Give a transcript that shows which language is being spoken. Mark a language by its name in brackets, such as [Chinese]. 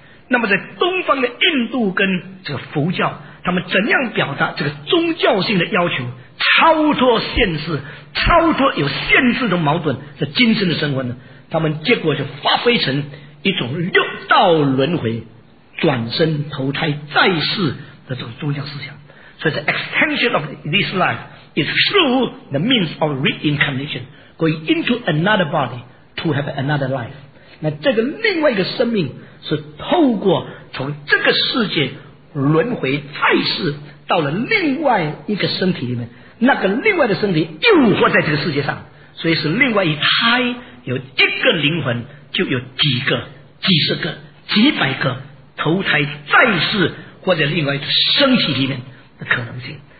[Chinese] 那么在东方的印度跟这个佛教，他们怎样表达这个宗教性的要求，超脱现实，超脱有限制的矛盾的精神的生活呢？他们结果就发挥成一种六道轮回转生投胎再世的这种宗教思想。所以 [English] the extension of this life is through the means of reincarnation, going into another body to have another life。 [Chinese] 那这个另外一个生命是透过从这个世界轮回再世到了另外一个身体里面，那个另外的身体又活在这个世界上，所以是另外一胎，有一个灵魂就有几个、几十个、几百个投胎再世或者另外一个身体里面的可能性。